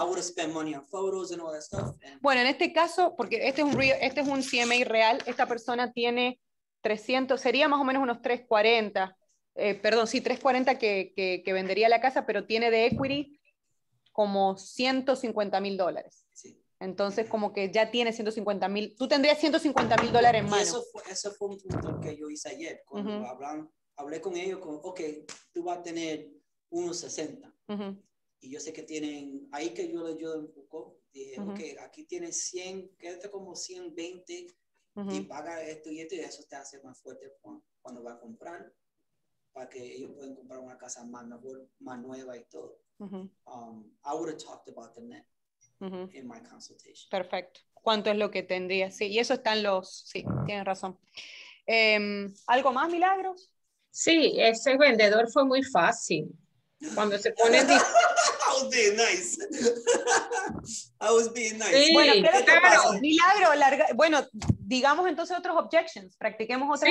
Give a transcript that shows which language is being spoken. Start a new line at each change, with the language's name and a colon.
English: So I would spend money on photos and all that stuff.
Spanish: Bueno, en este caso, porque este es un CMA real, esta persona tiene 300, sería más o menos unos 340, perdón, sí, 340 que vendería la casa, pero tiene de equity como $150,000. Sí. Entonces, como que ya tiene 150 mil, tú tendrías $150,000 en mano. Eso fue un punto que yo hice ayer, cuando hablé con ellos, como, ok, tú vas a tener... 1.60. Y yo sé que tienen, ahí que yo le ayudo un poco, dije, ok, aquí tienes 100, quédate como 120 y paga esto y eso te hace más fuerte cuando va a comprar, para que ellos puedan comprar una casa más nueva y todo.
English: I would have talked about the net in my consultation.
Spanish: Perfecto. ¿Cuánto es lo que tendría? Sí, y eso están los, sí, tienes razón. ¿Algo más, Milagros? Sí, ese vendedor fue muy fácil. Cuando se pone
English: I was being nice.
Spanish: Sí, bueno, claro, Milagro, larga, bueno, digamos entonces otros objections, practiquemos otras.